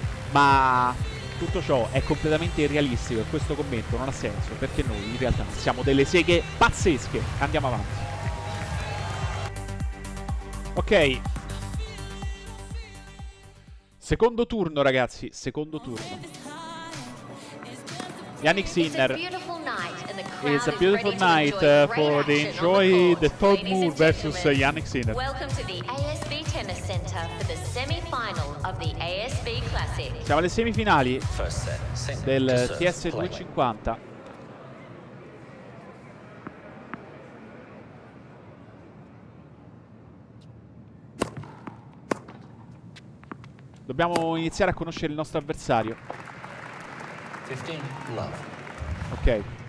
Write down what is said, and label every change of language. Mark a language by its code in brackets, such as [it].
[it] Ma tutto ciò è completamente irrealistico e questo commento non ha senso, perché noi in realtà siamo delle seghe pazzesche. Andiamo avanti. Ok, secondo turno ragazzi, secondo turno. Yannick Sinner. [en] It's a beautiful night for the enjoy the third move versus Yannick Sinner. Welcome to the ASB Tennis Center for the semi-final of the ASB Classic. [it] Siamo alle semifinali del TS 250. Dobbiamo iniziare a conoscere il nostro avversario. 15 love. Ok.